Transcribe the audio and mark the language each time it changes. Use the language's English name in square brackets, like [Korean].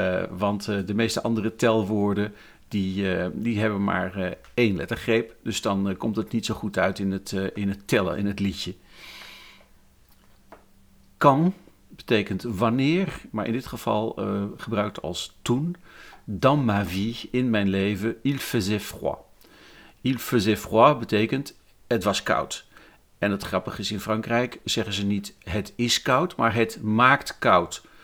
[Dutch] Want de meeste andere telwoorden, Die hebben maar één lettergreep. Dus dan komt het niet zo goed uit in het tellen, in het liedje. Quand, betekent wanneer, maar in dit geval gebruikt als toen. [French] Dans ma vie, [Dutch] in mijn leven, [French] il faisait froid. Il faisait froid [Dutch] betekent het was koud. En het grappige is, in Frankrijk zeggen ze niet het is koud, maar het maakt koud.